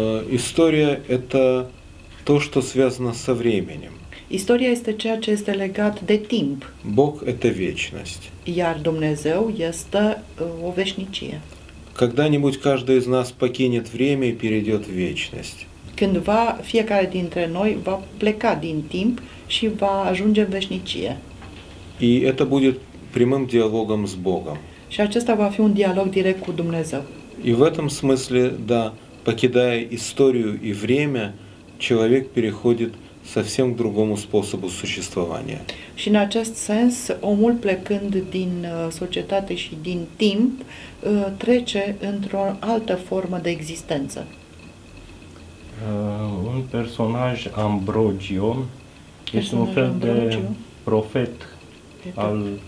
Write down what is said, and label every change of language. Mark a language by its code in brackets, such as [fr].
[ru] История это то, что связано со временем. История это [ro] ceea ce este legat de timp. [ru] Бог это вечность. [ro] Iar Dumnezeu este o veșnicie. [ru] Когда-нибудь каждый из нас покинет время и перейдет в вечность. [ro] Cândva fiecare dintre noi va pleca din timp și va ajunge în veșnicie. [ru] И это будет прямым диалогом с Богом. [ro] Și acesta va fi un dialog direct cu Dumnezeu. [ru] И в этом смысле, да, покидая историю и время, человек переходит совсем к другому способу существования. [ro] Și în acest sens, omul plecând din societate și din timp, trece într-o altă formă de existență. Un personaj, Ambrogio, este un fel Ambrogio de profet al